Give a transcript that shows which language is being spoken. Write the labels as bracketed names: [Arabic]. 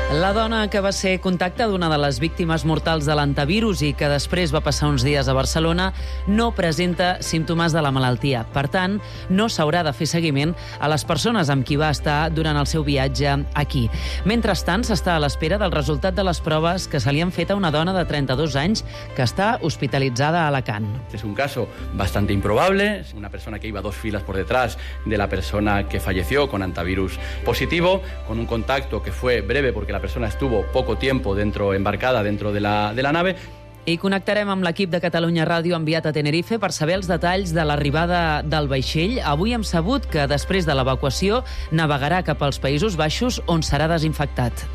[Catalan] dona que va ser contacte d'una de les víctimes mortals de l'antivirus i que després va passar uns dies a Barcelona no presenta símptomes de la malaltia. Per tant, no s'haurà de fer seguiment a les persones amb qui va estar durant el seu viatge aquí. Mentrestant, s'està a l'espera del resultat de les proves que se li han fet a una dona de 32 anys que està hospitalitzada a Alacant. [Spanish] És un caso bastante improbable. Una persona que iba dos filas por detrás de la persona que falleció con antivirus positivo, con un contacto que fue breve porque la persona estuvo poco tiempo dentro, embarcada dentro de la nave. [Catalan] I connectarem amb l'equip de Catalunya Ràdio enviat a Tenerife per saber els detalls de l'arribada del vaixell. Avui hem sabut que després de l'evacuació navegarà cap als Països Baixos on serà desinfectat.